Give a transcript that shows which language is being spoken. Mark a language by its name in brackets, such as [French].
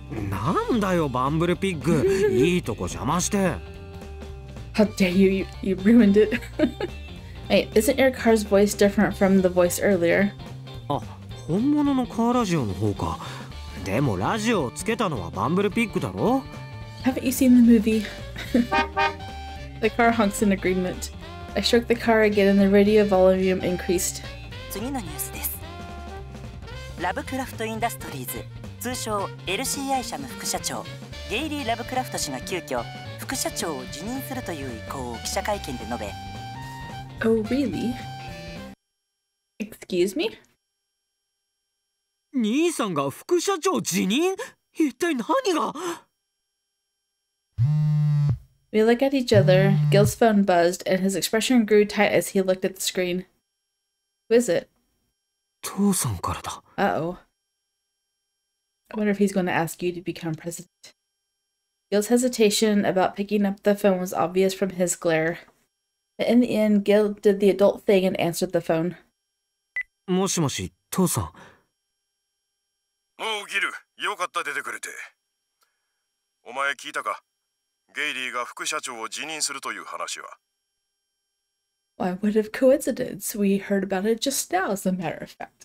[Japanese] なんだよ、バンブルピッグ。いいとこ邪魔して。 [English] How dare you? You ruined it. Wait, isn't your car's voice different from the voice earlier? [Japanese] あ、本物のカーラジオの方か。でもラジオをつけたのはバンブルピッグだろ? [English] Haven't you seen the movie? The car honks in agreement. I shook the car again and the radio volume increased. [Japanese] 次のニュースです。ラブクラフトインダストリーズ。通称 LCI 社の副社長ゲイリー・ラブクラフト氏が急遽副社長を辞任するという意向を記者会見で述べ [English] Oh, really? Excuse me? [Japanese] 兄さんが副社長辞任?一体何が? [English] We look at each other. Gil's phone buzzed and his expression grew tight as he looked at the screen. Who is it? [Japanese] 父さんからだ。 [English] Uh-oh. I wonder if he's going to ask you to become president. Gil's hesitation about picking up the phone was obvious from his glare. But in the end, Gil did the adult thing and answered the phone. [Japanese] もしもし、父さん。おう、ギル、よかった出てくれて。お前聞いたか? ゲイリーが副社長を辞任するという話は。 [English] Why, what a coincidence. We heard about it just now, as a matter of fact.